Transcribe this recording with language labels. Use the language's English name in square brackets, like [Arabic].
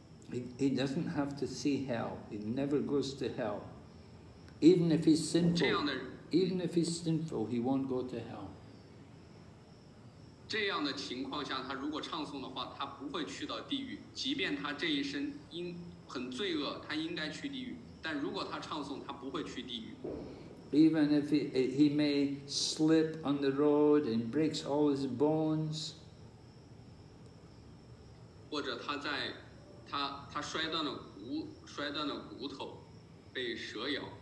[English] He doesn't have to see hell. He never goes to hell. Even if he's sinful, [Chinese] 这样的 [English] even if he's sinful, he won't go to hell. [Chinese] 这样的情况下，他如果唱诵的话，他不会去到地狱。即便他这一生因很罪恶，他应该去地狱。但如果他唱诵，他不会去地狱。 [English] Even if he may slip on the road and breaks all his bones, [Chinese] 或者他在他摔断了骨头，被蛇咬。